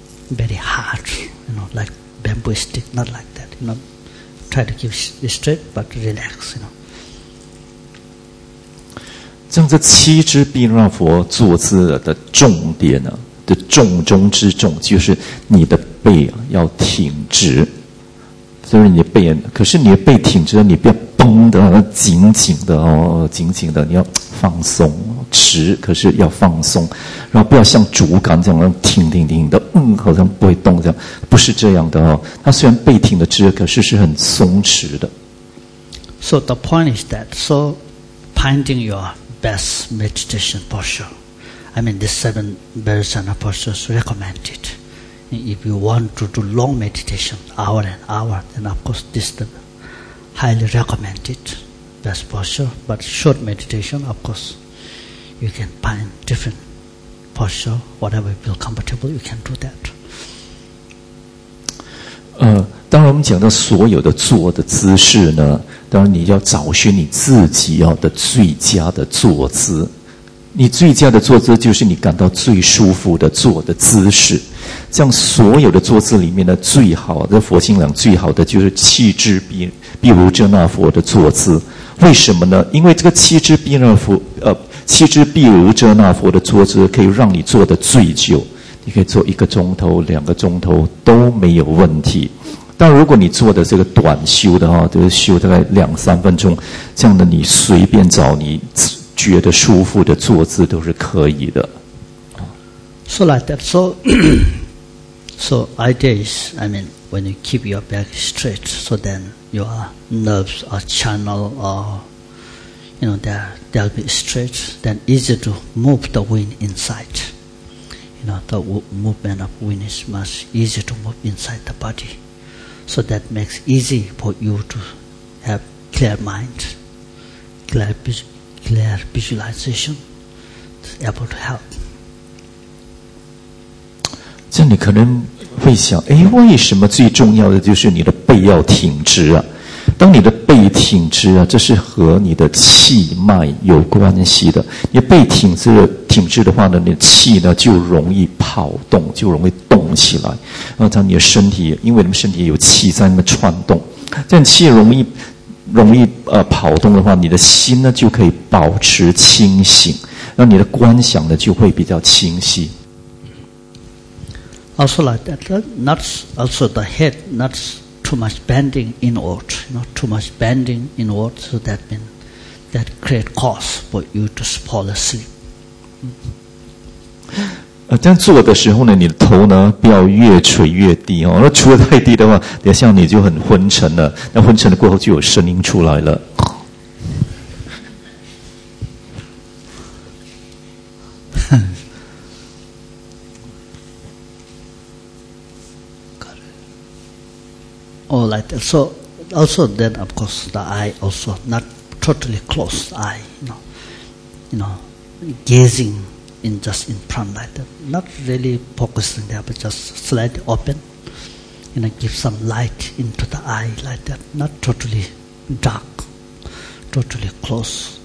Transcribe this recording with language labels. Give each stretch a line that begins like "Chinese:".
English: Very hard, like bamboo stick, not like that, Try to keep it straight, but relax,
Chinese: 这样这七支毗卢遮那佛坐姿的重点呢，的重中之重，就是你的背要挺直。就是你背，可是你的背挺直，你不要绷得紧紧的哦，紧紧的，你要放松，直，可是要放松，然后不要像竹竿这样挺的，好像不会动这样，不是这样的哦。它虽然背挺的直，可是是很松弛的。
English: So the point is that, so finding your best meditation posture, I mean the seven Bhairavachana postures recommended. If you want to do long meditation, hour and hour, then of course this is the highly recommended best posture. But short meditation, of course, you can find different posture, whatever you feel comfortable, you can do that.
Chinese: 当然我们讲到所有的坐的姿势呢，当然你要找寻你自己要的最佳的坐姿。你最佳的坐姿就是你感到最舒服的坐的姿势，这样所有的坐姿里面呢，最好的佛经里最好的就是七支毗卢遮那佛的坐姿。为什么呢？因为这个七支毗卢佛，七支毗卢遮那佛的坐姿可以让你坐得最久，你可以坐一个钟头、两个钟头都没有问题。但如果你做的这个短修的话，就是修大概两三分钟，这样的你随便找你觉得舒服的坐姿都是可以的。
English: So like that. So, so idea is, I mean, when you keep your back straight, so then your nerves are channeled, or you know, they'll be straight. Then easy to move the wind inside. You know, the movement of wind is much easier to move inside the body. So that makes easy for you to have clear mind, clear visualization, able to help.
Chinese: 这你可能会想，哎，为什么最重要的就是你的背要挺直啊？当你的背挺直啊，这是和你的气脉有关系的。你背挺直的话呢，你的气呢就容易跑动，就容易动起来。然后在你的身体，因为你身体有气在那边串动，这样气容易跑动的话，你的心呢就可以保持清醒，那你的观想呢就会比较清晰。
English: Also like that, not also the head, not. Too much bending inward, not too much bending inward, so that mean that create cause for you to fall asleep.
Chinese: 这样做的时候呢，你的头呢不要越垂越低哦。那垂太低的话，等下你就很昏沉了。那昏沉了过后，就有声音出来了。Oh,
English: like that. So, also then, of course, the eye also not totally closed eye, you know, gazing in just in front like that, not really focusing there, but just slightly open, you know, give some light into the eye like that, not totally dark, totally closed.